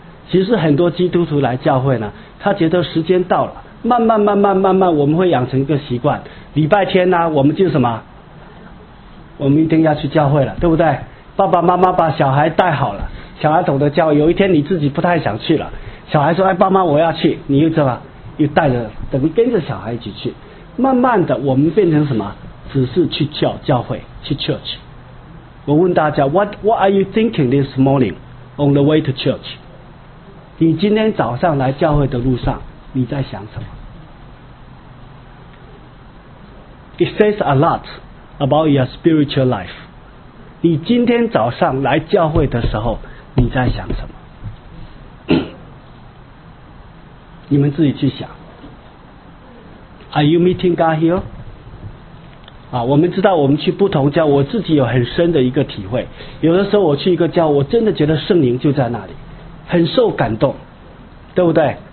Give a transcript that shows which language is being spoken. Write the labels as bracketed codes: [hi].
[zh] 其实很多基督徒来教会呢，他觉得时间到了，慢慢慢慢慢慢，我们会养成一个习惯，礼拜天呢，我们就什么，我们一定要去教会了，对不对？爸爸妈妈把小孩带好了，小孩懂得教，有一天你自己不太想去了，小孩说，哎，爸妈我要去，你又怎么又带着，等于跟着小孩一起去，慢慢的我们变成什么，只是去教会去 church。我问大家， [en] What are you thinking this morning on the way to church？ [zh] 你今天早上来教会的路上，你在想什么？ [en] It says a lot about your spiritual life。 [zh] 你今天早上来教会的时候，你在想什么？你们自己去想。 [en] Are you meeting God here？ [zh] 啊，我们知道我们去不同教，我自己有很深的一个体会，有的时候我去一个教，我真的觉得圣灵就在那里，很受感动，对不对？